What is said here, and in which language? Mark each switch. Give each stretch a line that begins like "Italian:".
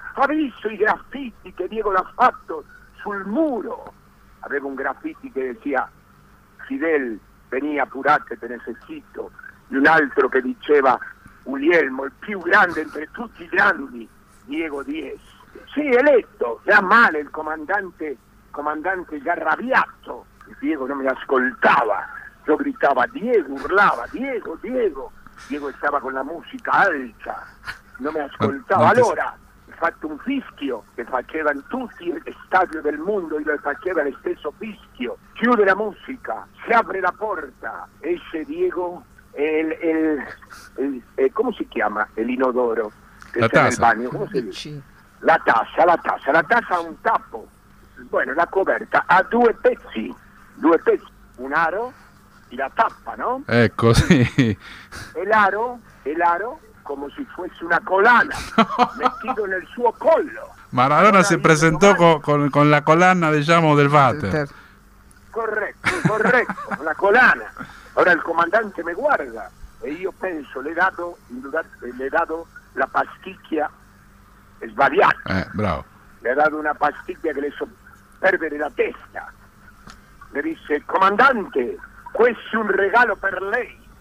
Italian: Ha visto i graffiti que Diego le ha fatto sul muro. Aveva un graffiti
Spanish: que decía... Fidel, vení apurate, te necesito. Y un otro que diceva, Guglielmo, el più grande entre tutti i grandi, Diego Diez. Sí, eletto. Ya mal el comandante ya arrabiato. Diego no me ascoltaba. Yo gritaba, Diego, urlaba, Diego, Diego. Diego estaba con la música alta. No me ascoltaba.
Italian: Allora, he fatto un fischio que faceva en tutti gli stadi del mundo
Spanish: y lo faceva el stesso
Italian: fischio.
Spanish: Chiude la música, se abre la puerta, ese Diego, el ¿cómo se llama? El inodoro. Que la taza. El baño. ¿Cómo se dice? La taza, un tapo. Bueno,
Italian: la coberta ha due pezzi,
Spanish: un aro y la tapa, ¿no? Ecco, sí. El aro, como si fuese una colana, metido en el
Italian: suo collo.
Spanish: Maradona se presentó con la colana, digamos, del váter.
Italian: Corretto, la colana. Ora il comandante mi guarda e io penso, le ho dato la pasticchia sbagliata. Bravo. Le ho dato una pasticchia che le so perdere la testa. Le dice, comandante, questo è un regalo per lei.